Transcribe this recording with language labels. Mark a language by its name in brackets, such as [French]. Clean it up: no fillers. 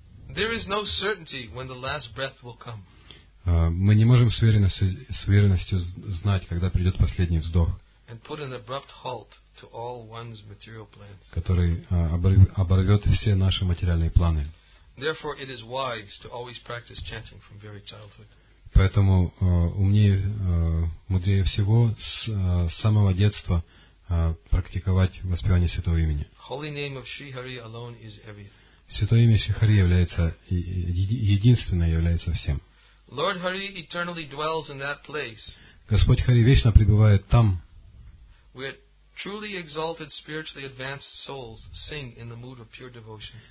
[English] There is no certainty when the last breath will come. [Russian] Мы не можем с уверенностью знать, когда придет последний вздох. [English] And put an abrupt halt to all one's material plans. [Russian] Который оборвет все наши материальные планы. [English] Therefore, it is wise to always practice chanting from very childhood. [Russian] Поэтому умнее, мудрее всего с самого детства практиковать воспевание святого имени. [English] Holy name of Shri Hari alone is everything. [Russian] Святое имя Шри Хари является единственное, является всем. [English] Lord Hari eternally dwells in that place. [Russian] Господь Хари вечно пребывает там. [English] Where truly exalted spiritually advanced souls sing in the mood of pure devotion.